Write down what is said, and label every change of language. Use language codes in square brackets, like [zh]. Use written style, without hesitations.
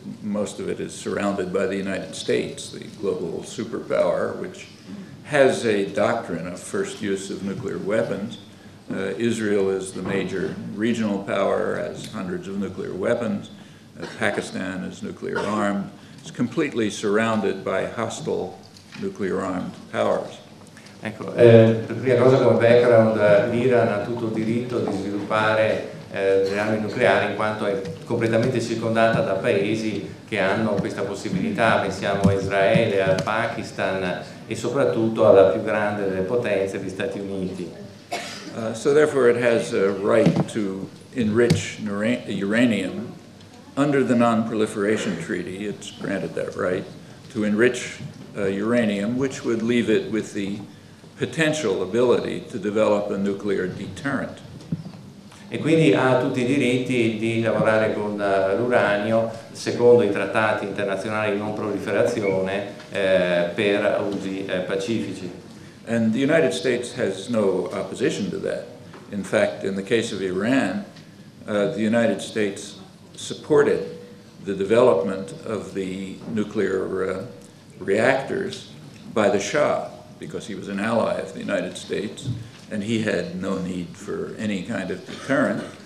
[en] Most of it is surrounded by the United States, the global superpower, which has a doctrine of first use of nuclear weapons. Israel is the major regional power, has hundreds of nuclear weapons. Pakistan is nuclear armed. It's completely surrounded by hostile nuclear armed powers. [it] Ecco, per prima cosa come background, l'Iran ha tutto il diritto di sviluppare le armi nucleari in quanto è completamente circondata da paesi che hanno questa possibilità. Pensiamo a Israele, al Pakistan e soprattutto alla più grande delle potenze, gli Stati Uniti. [en] So therefore it has a right to enrich uranium. Under the Non-Proliferation Treaty, it's granted that right to enrich uranium, which would leave it with the potential ability to develop a nuclear deterrent. [it] E quindi ha tutti i diritti di lavorare con l'uranio secondo i trattati internazionali di non proliferazione per usi pacifici. [en] And the United States has no opposition to that. In fact, in the case of Iran, the United States supported the development of the nuclear reactors by the Shah, because he was an ally of the United States, and he had no need for any kind of deterrent.